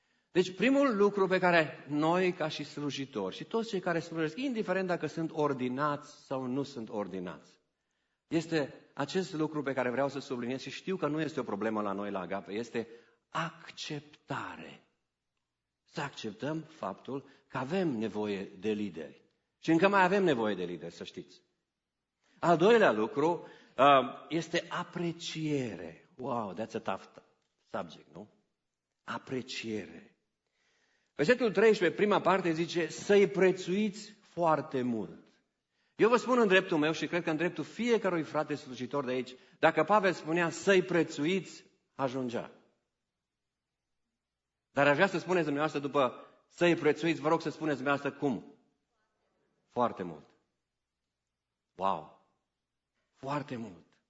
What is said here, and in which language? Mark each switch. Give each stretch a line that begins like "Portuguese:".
Romanian: Deci primul lucru pe care noi ca și slujitori și toți cei care slujesc, indiferent dacă sunt ordinați sau nu sunt ordinați, este acest lucru pe care vreau să subliniez și știu că nu este o problemă la noi la Agape, este acceptare. Să acceptăm faptul că avem nevoie de lideri. Și încă mai avem nevoie de lideri, să știți. Al doilea lucru este apreciere.
English: Wow, that's a tough subject,
Romanian: nu? Apreciere. Versetul 13, prima parte, zice să-i prețuiți foarte mult. Eu vă spun în dreptul meu și cred că în dreptul fiecărui frate slujitor de aici, dacă Pavel spunea să-i prețuiți, ajungea. Dar aș vrea să spuneți dumneavoastră după să-i prețuiți, vă rog să spuneți dumneavoastră cum? Foarte mult. Wow! Foarte mult!